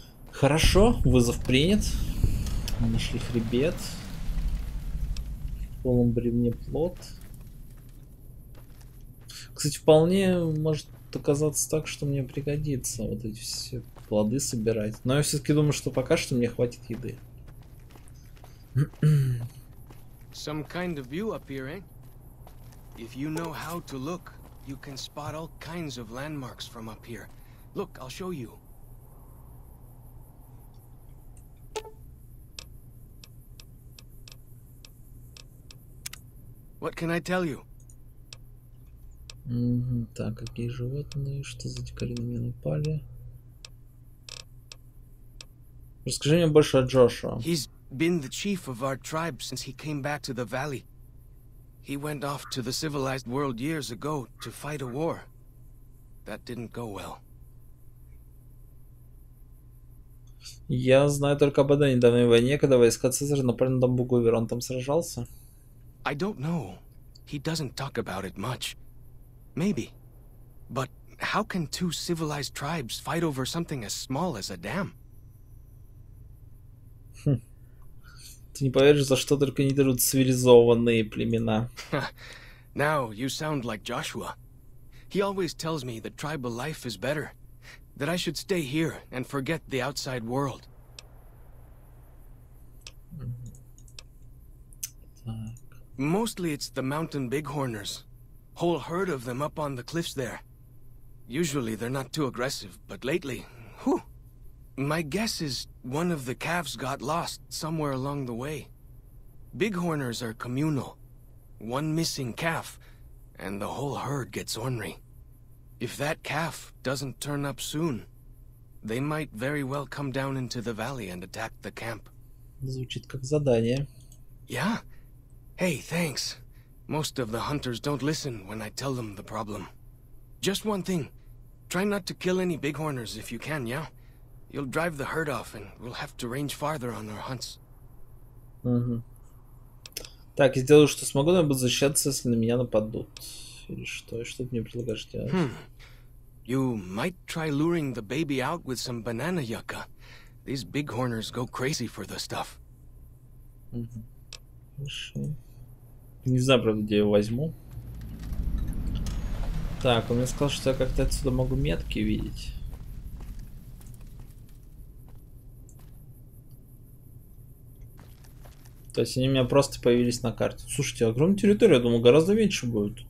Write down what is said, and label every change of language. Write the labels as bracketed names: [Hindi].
[Russian] Хорошо, вызов принят. Мы нашли хребет. В полном бревне плот. Кстати, вполне может оказаться так, что мне пригодится вот эти все плоды собирать. Но я все-таки думаю, что пока что мне хватит еды. [English] Some kind of view up here, eh? If you know how to look, you can spot all kinds of landmarks from up here. Look, I'll show you. What can I tell you? [Russian] Так, какие животные, что за дикари на меня напали? Расскажи мне больше о Джошуа. [English] He's been the chief of our tribe since he came back to the valley. He went off to the civilized world years ago to fight a war. That didn't go well. [Russian] Я знаю только об одной недавней войне, когда войска Цезаря напали на Дамбугувер. Он там сражался? [English] I don't know. He doesn't talk about it much. Maybe. But how can two civilized tribes fight over something as small as a dam? [Russian] Ты не поверишь, за что только не дерут цивилизованные племена. [English] Now you sound like Joshua. He always tells me that tribal life is better, that I should stay here and forget the outside world. Mostly it's the mountain bighorners. Whole herd of them up on the cliffs there. Usually they're not too aggressive, but lately, whew. My guess is one of the calves got lost somewhere along the way. Bighorners are communal. One missing calf, and the whole herd gets ornery. If that calf doesn't turn up soon, they might very well come down into the valley and attack the camp. [Russian] Звучит как задание. [English] Yeah? Hey, thanks. Most of the hunters don't listen when I tell them the problem. Just one thing. Try not to kill any bighorners if you can, yeah? You'll drive the herd off and we'll have to range farther on our hunts. [Russian] Так, я сделаю, что смогу, но я буду защищаться, если на меня нападут. Или что? Что ты мне предлагаешь делать? [English] You might try luring the baby out with some banana yucca. These bighorners go crazy for the stuff. [Russian] Хорошо. Не знаю, правда, где я его возьму. Так, он мне сказал, что я как-то отсюда могу метки видеть. То есть они у меня просто появились на карте. Слушайте, огромная территория, я думал, гораздо меньше будет.